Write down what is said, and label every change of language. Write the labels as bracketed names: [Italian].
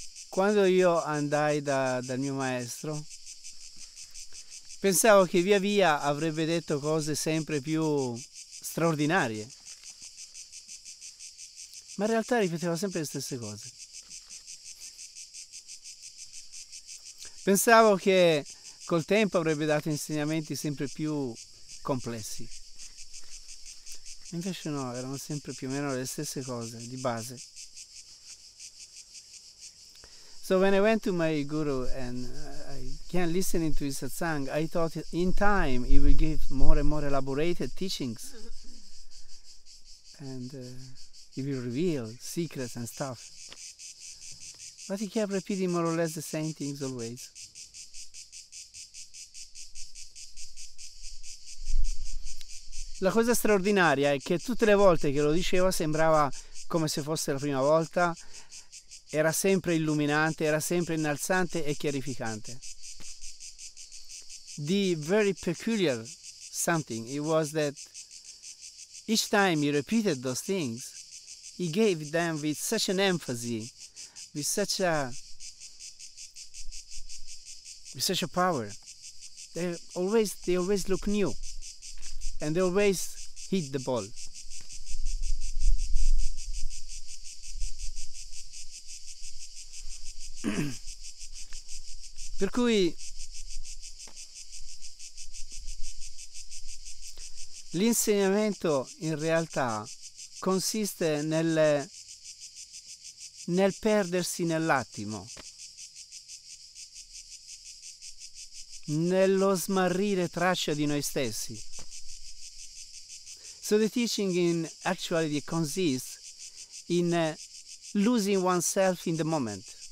[Italian] Quando io andai dal mio maestro, pensavo che via via avrebbe detto cose sempre più straordinarie, ma in realtà ripeteva sempre le stesse cose. Pensavo che col tempo avrebbe dato insegnamenti sempre più complessi. Invece no, erano sempre più o meno le stesse cose di base. [English] So when I went to my guru and I began listening to his satsang, I thought in time he will give more and more elaborated teachings and he will reveal secrets and stuff. But he kept repeating more or less the same things always. [Italian] La cosa straordinaria è che tutte le volte che lo diceva sembrava come se fosse la prima volta. Era sempre illuminante, era sempre innalzante e chiarificante. [English] The very peculiar something it was that each time he repeated those things, he gave them with such an emphasis, with such a power. They always look new, and they always hit the ball. [Italian] Per cui l'insegnamento in realtà consiste nel perdersi nell'attimo, nello smarrire traccia di noi stessi. [English] So the teaching in actuality consists in losing oneself in the moment.